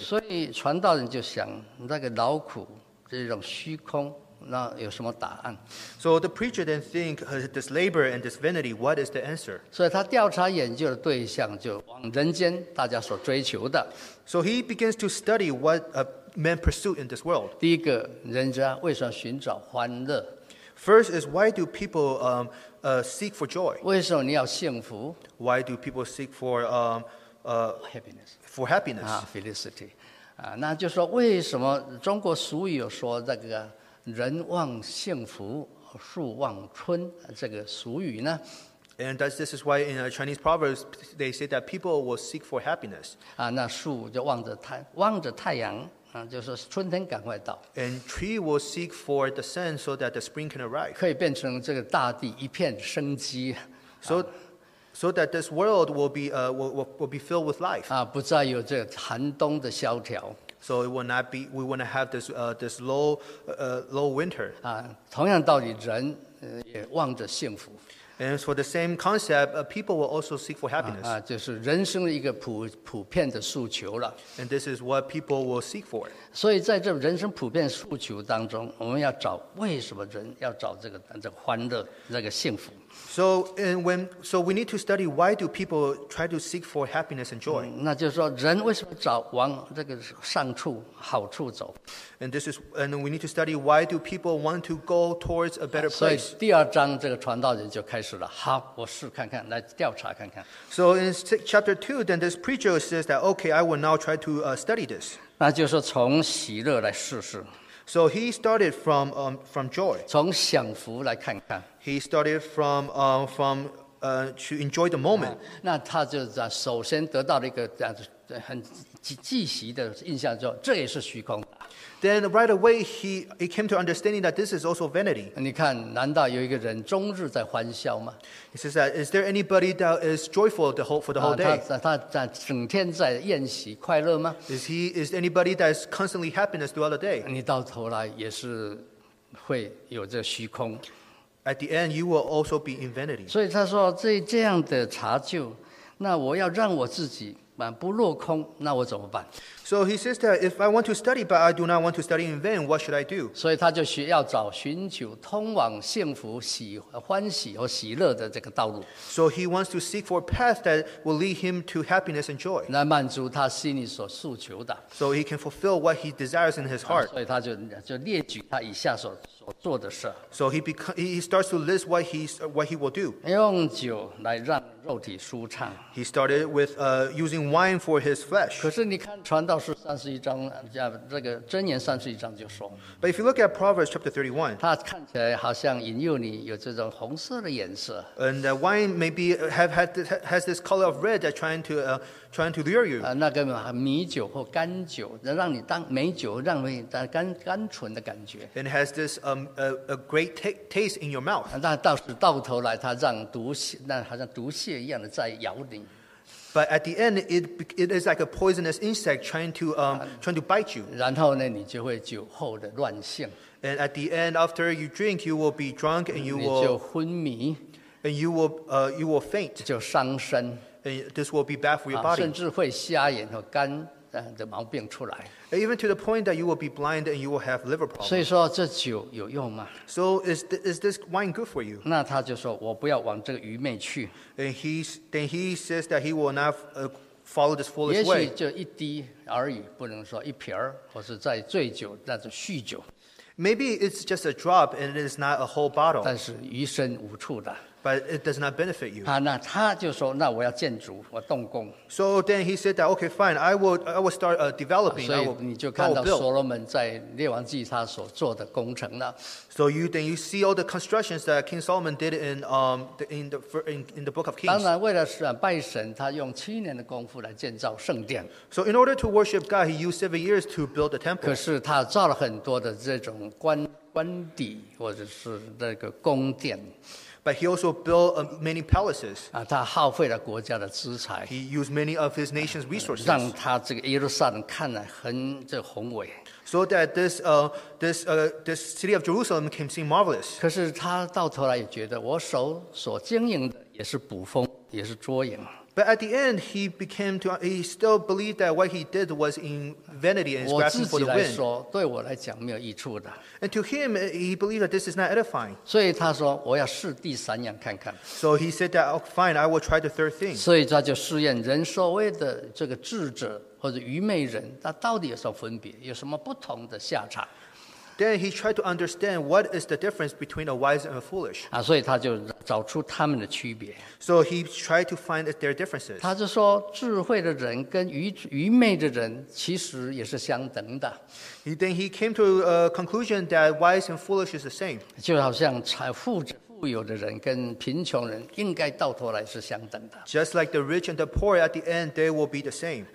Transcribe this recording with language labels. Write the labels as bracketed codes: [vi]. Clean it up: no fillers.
[zh] 所以传道人就想，那个劳苦这种虚空，那有什么答案 [en] ？So the preacher then think this labor and this vanity, what is the answer? [zh] 所以他调查研究的对象就往人间大家所追求的。 [en] So he begins to study what men pursue in this world. [zh] 第一个，人家为什么寻找欢乐？ [en] First is why do people seek for joy? [zh] 为什么你要幸福？ [en] Why do people seek for happiness? For happiness. Felicity. [zh] 那就说为什么中国俗语有说这个人望幸福，树望春这个俗语呢？ [en] And this is why in Chinese proverbs they say that people will seek for happiness. [zh] 那树就望着太阳。就是春天赶快到。 [en] And tree will seek for the sun so that the spring can arrive. [zh] 可以变成这个大地一片生机。 [en] So that this world will be filled with life. [zh] 不再有这寒冬的萧条。 [en] So it will not be, we want to have this low winter. [zh] 同样道理，人也望着幸福。 [en] And for the same concept, people will also seek for happiness. [zh] 就是人生的一个普遍的诉求了。 [en] And this is what people will seek for. [zh] 所以在这人生普遍诉求当中，我们要找为什么人要找这个欢乐、这个幸福。 [en] So, and when, so we need to study why do people try to seek for happiness and joy. [zh] 那就是说人为什么找往这个善处好处走。 [en] And this is, and we need to study why do people want to go towards a better place. [zh] 所以第二章这个传道人就开始了。好，我试看看，来调查看看。 [en] So in chapter 2, then this preacher says that, okay, I will now try to study this. [zh] 那就是从喜乐来试试。 [en] So he started from joy. [zh] 从享福来看看。 [en] He started to enjoy the moment. [zh] 那他就在首先得到了一个这样子很积极的印象，说这也是虚空的。 [en] Then right away he came to understanding that this is also vanity. [zh] 你看，难道有一个人终日在欢笑吗 [en] ？He says that is there anybody that is joyful for the whole day? [zh] 他整天在宴席快乐吗 [en] ？Is anybody that is constantly happiness throughout the day? [zh] 你到头来也是会有这虚空。 [en] At the end, you will also be in vanity. [zh] 所以他说这样的查究，那我要让我自己不落空，那我怎么办 [en] ？So he says that if I want to study, but I do not want to study in vain, what should I do? [zh] 所以他就需要找寻求通往幸福、喜欢喜和喜乐的这个道路。 [en] So he wants to seek for a path that will lead him to happiness and joy. [zh] 来满足他心里所诉求的。 [en] So he can fulfill what he desires in his heart. [zh] 所以他就列举他以下所做的事。 [en] So he starts to list what he will do. [zh] 用酒来让肉体舒畅。 [en] He started with using wine for his flesh. [zh] 可是你看传道书三十一章，这个箴言三十一章就说。 [en] But if you look at Proverbs chapter 31, [zh] 它看起来好像引诱你有这种红色的颜色。 [en] And the wine maybe has this color of red that trying to lure you. [zh] 那个米酒或甘酒，让你当美酒，让你甘醇的感觉。 [en] And has this a great taste in your mouth. [zh] 那倒是到头来，它让毒蝎，那好像毒蝎一样的在咬你。 [en] But at the end, it is like a poisonous insect trying to bite you. [zh] 然后呢，你就会酒后的乱性。 [en] And at the end, after you drink, you will be drunk and you will [zh] 你就昏迷。 [en] And you will faint. [zh] 就伤身。 [en] And this will be bad for your body. [zh] 甚至会瞎眼和肝的毛病出来。 [en] Even to the point that you will be blind and you will have liver problems. [zh] 所以说这酒有用吗 [en] ？So is this wine good for you? [zh] 那他就说我不要往这个愚昧去。 [en] And he says that he will not follow this foolish way. [zh] 也许就一滴而已，不能说一瓶儿，或是在醉酒那种酗酒。 [en] Maybe it's just a drop and it is not a whole bottle. [zh] 但是余生无处的。 [en] But it does not benefit you. [zh] 那他就说，那我要建筑，我动工。 [en] So then he said that, okay, fine, I will start developing. [zh] 所以你就看到所罗门在列王记他所做的工程了。 [en] So you see all the constructions that King Solomon did in the Book of Kings. [zh] 当然，为了拜神，他用七年的功夫来建造圣殿。 [en] So in order to worship God, he used 7 years to build the temple. [zh] 可是他造了很多的这种官邸或者是那个宫殿。 [en] But he also built many palaces. [zh] 他耗费了国家的资财。 [en] He used many of his nation's resources. [zh] 让他这个耶路撒冷看来很宏伟。 [en] So that this city of Jerusalem can seem marvelous. [zh] 可是他到头来也觉得，我手所经营的也是捕风，也是捉影。 [en] But at the end, he still believed that what he did was in vanity and grasping for the wind. [zh] 我自己来说，对我来讲没有益处的。 [en] And to him, he believed that this is not edifying. [zh] 所以他说，我要试第三样看看。 [en] So he said that, oh, fine, I will try the third thing. [zh] 所以他就试验人所谓的这个智者或者愚昧人，他到底有什么分别，有什么不同的下场。 [en] Then he tried to understand what is the difference between a wise and a foolish. [zh] 所以他就找出他们的区别。 [en] So he tried to find their differences. [zh] 他就说，智慧的人跟愚昧的人其实也是相等的。 [en] Then he came to a conclusion that wise and foolish is the same. [zh] 就好像富有的人跟贫穷人应该到头来是相等的。 [en] Just like the rich and the poor, at the end they will be the same.